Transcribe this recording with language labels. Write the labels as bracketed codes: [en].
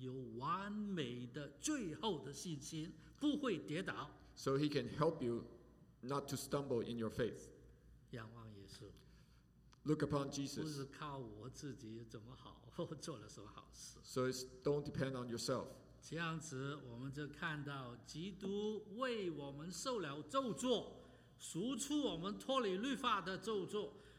[zh] 他能够帮助你有完美的最后的信心。不会跌倒, [en] so he can help you not to stumble in your faith. [zh] 仰望耶稣, [en] look upon Jesus. [zh] 不是靠我自己怎么好，或做了什么好事。 [en] So it don't depend on yourself. [zh] 这样子我们就看到基督为我们受了咒诅，赎出我们脱离律法的咒诅。